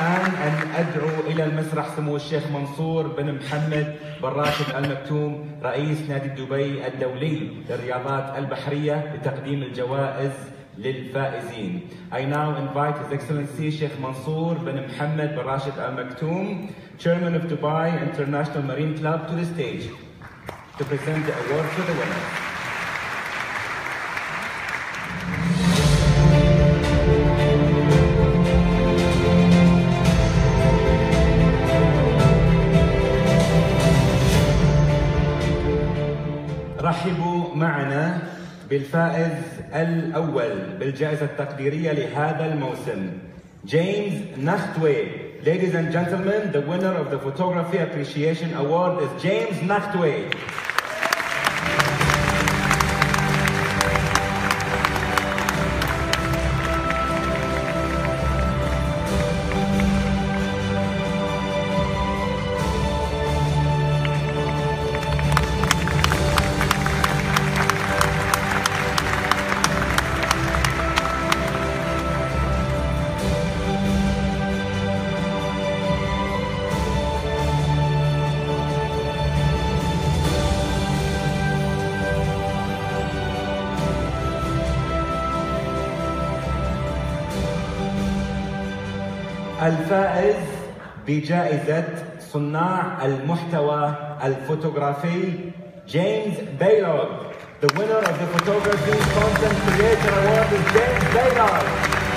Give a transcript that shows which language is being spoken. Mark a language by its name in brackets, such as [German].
[Arabic] الشيخ منصور بن محمد بن راشد المكتوم رئيس نادي دبي الدولي للرياضات البحرية لتقديم الجوائز للفائزين. [English] I now invite His Excellency Sheikh Mansour bin Mohammed bin Rashid Al Maktoum, Chairman of Dubai International Marine Club, to the stage to present the award to the winner. [Arabic] رحبوا معنا بالفائز الأول بالجائزة التقديرية لهذا الموسم, James Nachtwey. [English] Ladies and gentlemen, the winner of the Photography Appreciation Award is James Nachtwey. [Arabic] الفائز بجائزة صناع المحتوى الفوتوغرافي, James Baylog. [English] The winner of the Photography Content Creator Award is James Baylog.